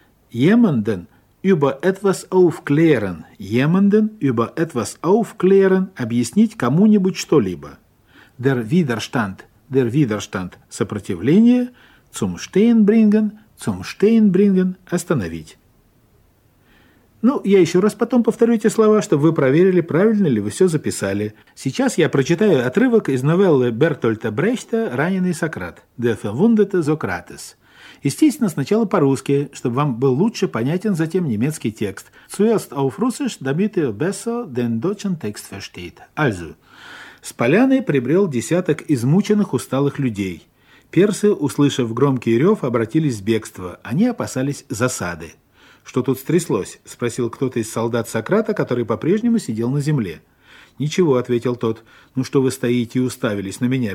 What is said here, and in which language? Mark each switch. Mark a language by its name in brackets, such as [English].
[German] Jemanden über etwas aufklären, [Russian] объяснить кому-нибудь что-либо. [German] Der Widerstand, [Russian] сопротивление, [German] zum Stehen bringen, [Russian] остановить. Ну, я еще раз потом повторю эти слова, чтобы вы проверили, правильно ли вы все записали. Сейчас я прочитаю отрывок из новеллы Бертольда Брехта «Раненый Сократ» [German] «Der verwundete Sokrates». [Russian] Естественно, сначала по-русски, чтобы вам был лучше понятен затем немецкий текст. [German] Zuerst auf Russisch, damit ihr besser den deutschen Text versteht. Also, [Russian] с поляны прибрел десяток измученных усталых людей. Персы, услышав громкий рев, обратились в бегство. Они опасались засады. «Что тут стряслось?» – спросил кто-то из солдат Сократа, который по-прежнему сидел на земле. «Ничего», – ответил тот. «Ну что вы стоите и уставились на меня?